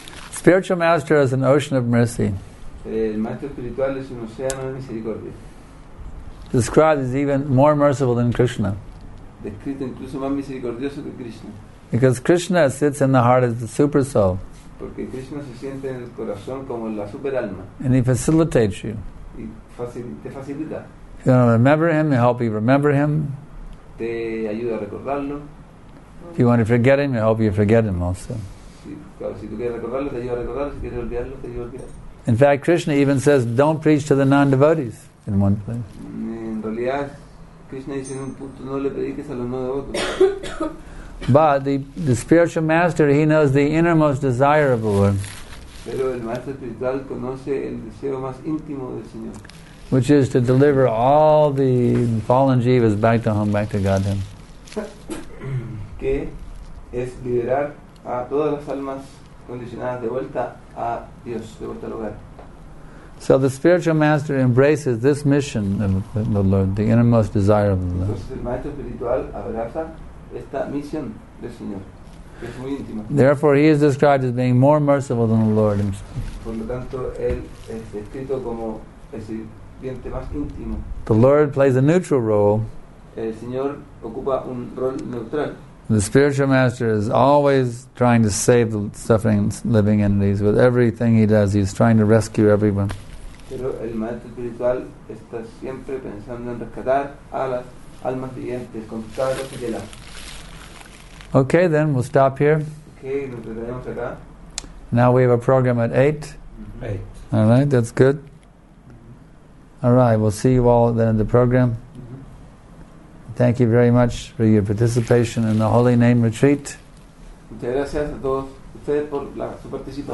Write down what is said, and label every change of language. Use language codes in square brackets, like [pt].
[en] Spiritual master is an ocean of mercy. [es] El maestro espiritual es un océano de misericordia. [en] Described as even more merciful than Krishna. [es] Descrito incluso más misericordioso que Krishna. [en] Because Krishna sits in the heart as the super soul. [es] Porque Krishna se siente en el corazón como la super alma. [en] And he facilitates you. [es] Y te facilita. [en] If you want to remember him, he'll help you remember him. [es] Te ayuda a recordarlo. [en] If you want to forget him, he'll help you forget him also. [es] Si, claro, si tú quieres recordarlo, te ayuda a recordarlo. Si quieres olvidarlo, te ayuda a olvidarlo. [en] In fact, Krishna even says, don't preach to the non-devotees in one place. [es] En realidad, Krishna dice en un punto, no le prediques a los no devotos. [en] But the spiritual master, he knows the innermost desire of the Lord. [es] Pero el maestro espiritual conoce el deseo más íntimo del Señor. [en] Which is to deliver all the fallen jivas back to home, back to Godhead. [es] Que es liberar a todas las almas condicionadas de vuelta a Dios, de vuelta al hogar. [en] So the spiritual master embraces this mission of the Lord, the innermost desire of the Lord. [es] Entonces el maestro espiritual abraza esta misión del Señor, que es muy íntima. [en] Therefore, he is described as being more merciful than the Lord himself. [es] Por lo tanto, él es descrito como el sirviente más íntimo. [en] The Lord plays a neutral role. [es] el Señor ocupa un rol neutral. [en] The spiritual master is always trying to save the suffering living entities. With everything he does, he's trying to rescue everyone. [es] Pero el maestro espiritual está siempre pensando en rescatar a las almas vivientes con todas las fidelas. [en] Okay, then we'll stop here. [es] Okay, nos quedamos acá. [en] Now we have a program at 8. Mm-hmm. All right, that's good. All right, we'll see you all then in the program. Mm-hmm. Thank you very much for your participation in the Holy Name Retreat. [es] Muchas gracias a todos ustedes por su participación.